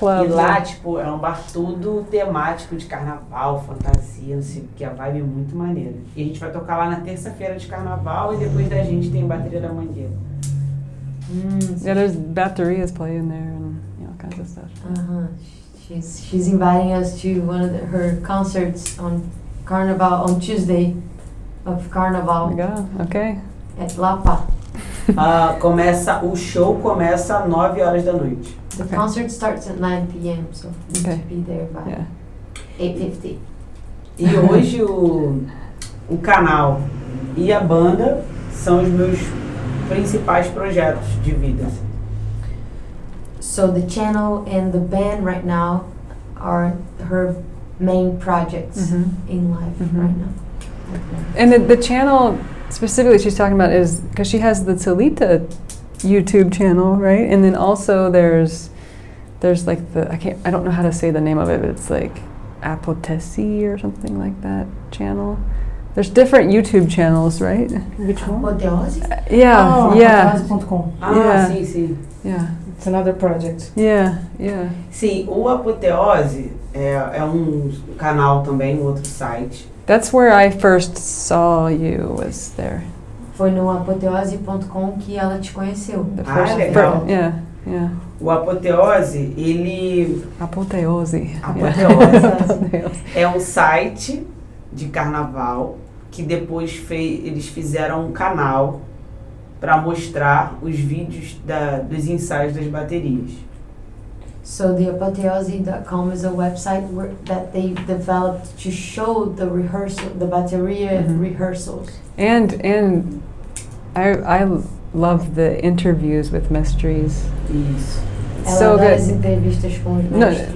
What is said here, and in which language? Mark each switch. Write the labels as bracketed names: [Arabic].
[Portuguese] E lá, tipo, é um bar todo temático de carnaval, fantasia, não sei, porque a vibe é muito maneira. E a gente vai tocar lá na terça-feira de carnaval e depois da gente tem Bateria da Mangueira. [English] Yeah, there's baterias playing there. Kind of stuff. Uh-huh. She's inviting us to one of her concerts on Carnival, on Tuesday of Carnival. Yeah, okay. At Lapa. [Portuguese] Começa, o show começa às 9 horas da noite. [English] The okay. concert starts at 9 p.m., so you need okay. to be there by yeah. 8:50. [Portuguese] E hoje o canal e a banda são os meus principais projetos de vida. [English] So the channel and the band right now are her main projects mm-hmm. in life mm-hmm. right now. Okay. And the channel specifically she's talking about is because she has the Thalita YouTube channel, right? And then also there's like the I don't know how to say the name of it, but it's like Apotesi or something like that channel. There's different YouTube channels, right? Which one? Apotheosis? Yeah, oh, yeah. Apotheosis.com. Ah, yeah. [Portuguese] Sim, sim. [English] Yeah. It's another project. Yeah, yeah. [Portuguese] Sim, o Apotheose é um canal também, um outro site. [English] That's where I first saw you, was there. [Portuguese] Foi no apotheose.com que ela te conheceu. [English] The first ah, legal. For, yeah, yeah. [Portuguese] O Apotheose, ele... Apotheose. Apotheose. É um site de carnaval que depois eles fizeram um canal para mostrar os vídeos dos ensaios das baterias. [English] So the apotheose.com is a website that they developed to show the rehearsal, the bateria mm-hmm. rehearsals. And I love the interviews with mestres. Yes. So good. No,